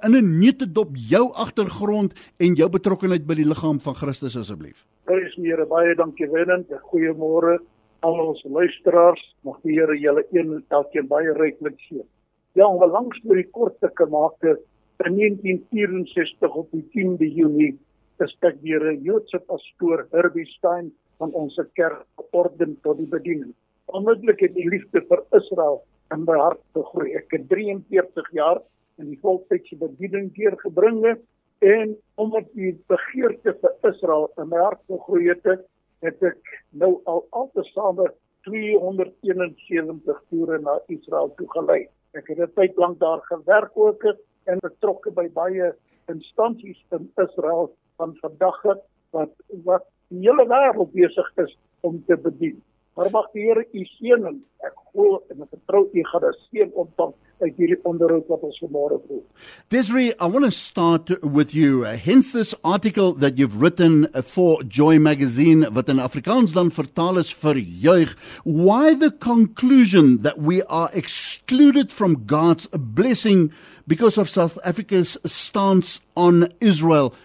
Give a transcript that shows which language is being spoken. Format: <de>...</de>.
<af>In 'n netedop jou agtergrond en jou betrokkeheid by die liggaam van Christus asseblief. Prys die Here, baie dankie Willend. Goeiemôre aan ons luisteraars. Mag die Here julle een en elkeen baie ryklik seën. Ja, om 'n lang storie kort te maak, in 1964 op die 10de Junie is ek deur 'n Joodse pastoor Herbie Steyn van ons kerk orden tot die bediening. Onmiddellik het die liefde vir Israel in my hart gegroei. Ek het 43 jaar in die voltydse bediening deurgebring en omdat die begeerte vir Israel in my hart gegroei het, het ek nou altesaam 271 toere na Israel toegelei. Ek het 'n tyd lank daar gewerk ook en betrokke by baie instansies in Israel van vandag wat die hele wereld bezig is om te bedien. Maar mag die Heere u seën, en ek hoor en ek vertrou u gaan die seën ontvang</af> <en>I hear it on the road. Desiree, I want to start with you. Hence this article that you've written for Joy Magazine,</en> <af>wat in Afrikaans dan vertaal is vir juig.</af> <en>Why the conclusion that we are excluded from God's blessing because of South Africa's stance on Israel?</en>